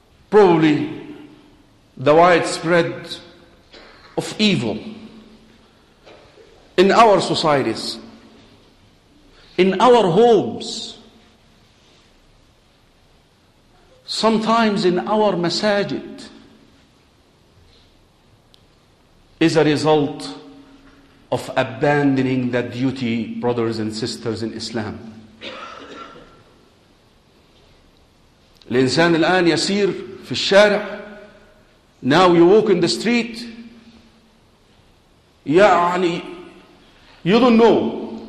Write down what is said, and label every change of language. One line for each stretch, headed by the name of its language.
English: Probably the widespread of evil in our societies, in our homes, sometimes in our masajid, is a result of abandoning that duty, brothers and sisters in Islam.
Arabic: الإنسان الآن يسير في الشارع.
English: Now you walk in the street. يعني, you don't know.